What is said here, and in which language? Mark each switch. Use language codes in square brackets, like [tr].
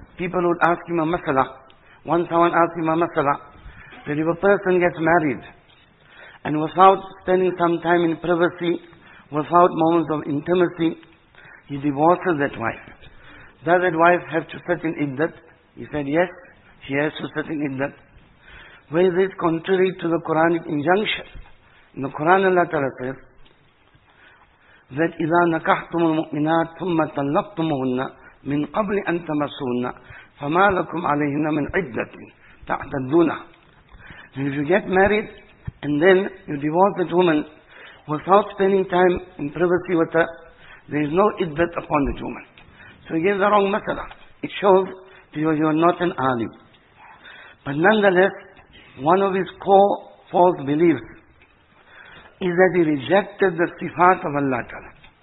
[en] People would ask him a masala. Once someone asked him a masala, that if a person gets married and without spending some time in privacy, without moments of intimacy, he divorces that wife, does that wife have to sit in iddat? He said, yes, she has to sit in iddat. Where is this contrary to the Quranic injunction? In the Quran, Allah Ta'ala says that [ar] إِذَا نَكَحْتُمُ الْمُؤْمِنَاتِ ثُمَّ تَلَّقْتُمُهُنَّ مِنْ قَبْلِ أَن تَمَسُّهُنَّ فَمَا لَكُمْ عَلَيْهِنَّ مِنْ عِدَّةٍ تَعْتَدُّونَهُ. [en] If you get married and then you divorce that woman without spending time in privacy with her, there is no iddat upon the woman. So he gave the wrong masala. It shows that you are not an alim. But nonetheless, one of his core false beliefs is that he rejected the sifat of Allah Ta'ala.